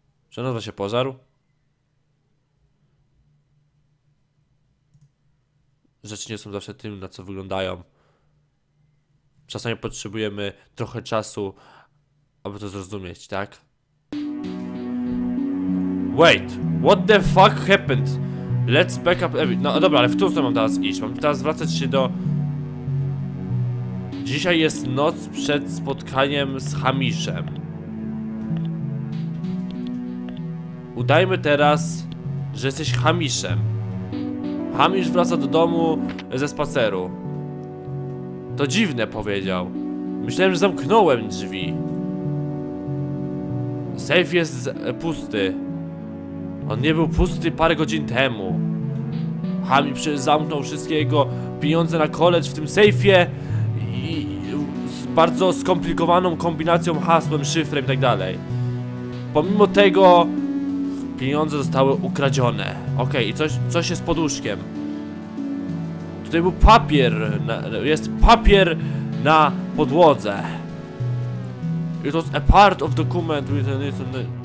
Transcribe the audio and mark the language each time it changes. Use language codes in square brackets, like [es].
[pl] Czy nazywa się pożar? Rzeczy nie są zawsze tym, na co wyglądają. Czasami potrzebujemy trochę czasu, aby to zrozumieć, tak? [en] Wait, what the fuck happened? Let's back up. [pl] No dobra, ale w którą stronę mam teraz iść? Mam teraz wracać się do... Dzisiaj jest noc przed spotkaniem z Hamishem. Udajmy teraz, że jesteś Hamishem. Hamish wraca do domu ze spaceru. To dziwne, powiedział. Myślałem, że zamknąłem drzwi. Sejf jest pusty. On nie był pusty parę godzin temu. Hami zamknął wszystkie jego pieniądze na college w tym sejfie i z bardzo skomplikowaną kombinacją hasłem, szyfrem i tak dalej. Pomimo tego pieniądze zostały ukradzione. Okej, okay, i coś jest pod łóżkiem. Tutaj był papier, jest papier na podłodze. [en] It was a part of document written in the...